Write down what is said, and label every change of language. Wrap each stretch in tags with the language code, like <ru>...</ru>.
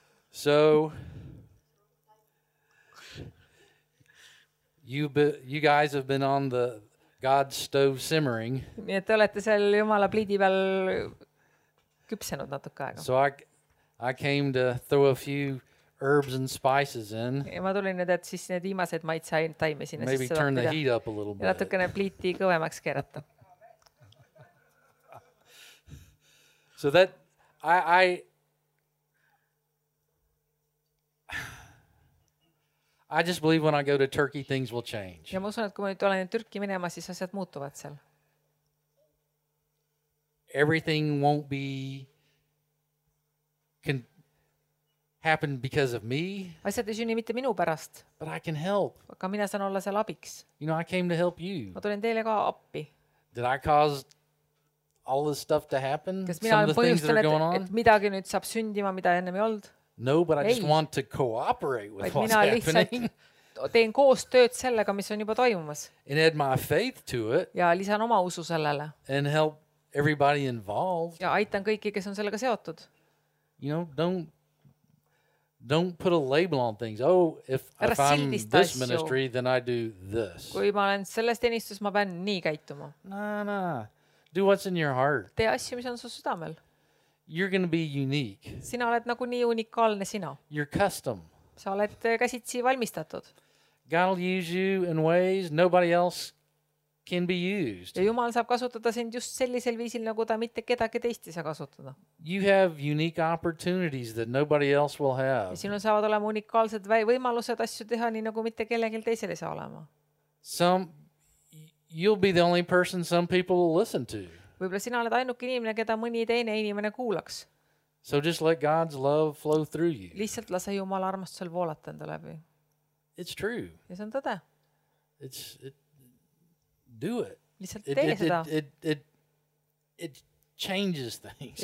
<en>So you guys have been on the God's stove simmering.</en> <et>Nii, et te olete seal Jumala pliidi peal küpsenud natuke aega.</et> <en>So I came to throw a few herbs and spices in.</en> <et>Ja ma tulin nüüd, et siis need viimased maitse taime sinna.</et> <en>Maybe turn the heat up a little bit.</en> <et>Ja natukene pliiti kõvemaks keerata.</et> <en>So that I just believe when I go to Turkey things will change.</en> <et>Ja ma usun, et kui ma nüüd olen Türki minema, siis asjad muutuvad seal.</et> <en>Everything won't be can happen because of me.</en> <et>Asjad ei sünni mitte minu pärast.</et> <en>But I can help.</en> <et>Aga mina saan olla seal abiks.</et> <en>You know, I came to help you.</en> <et>Ma tulin teile ka appi.</et> <en>Did I cause all this stuff to happen? Some of the things that are going on?</en> <et>Et midagi nüüd saab sündima, mida ennem ei olnud.</et> <en>No, but I just want to cooperate with what's happening.</en> <et>Mina lihtsalt teen koos tööd sellega, mis on juba toimumas.</et> <en>And add my faith to it.</en> <et>Ja lisan oma usu sellele.</et> <en>And help everybody involved.</en> <et>Ja aitan kõiki, kes on sellega seotud.</et> <en>You know, don't put a label on things. Oh, if I'm this ministry, then I do this.</en> <et>Kui ma olen selles teenistus, ma pean nii käituma.</et> <en>Nah. Do what's in your heart.</en> <et>Tee asju, mis on su südamel.</et> <en>You're going to be unique.</en> <et>Sina oled nagu nii unikaalne sina.</et> <en>You're custom.</en> <et>Sa oled käsitsi valmistatud.</et> <en>God will use you in ways nobody else can be used.</en> <et>Ja Jumal saab kasutada sind just sellisel viisil, nagu ta mitte kedagi teisti saa kasutada.</et> <en>You have unique opportunities that nobody else will have.</en> <et>Ja sinul saavad olema unikaalsed võimalused asju teha, nii nagu mitte kellegil teisel ei saa olema.</et> <en>You'll be the only person some people will listen to.</en> <et>Võib-olla sina oled ainuke inimene, keda mõni teine inimene kuulaks.</et> <en>So just let God's love flow through you.</en> <et>Lihtsalt lase Jumal armastusel voolata enda läbi.</et> <en>It's true.</en> <et>Ja see on tõde.</et> <en>Do it.</en> <et>Lihtsalt tee seda.</et> <en>It changes things completely.</en>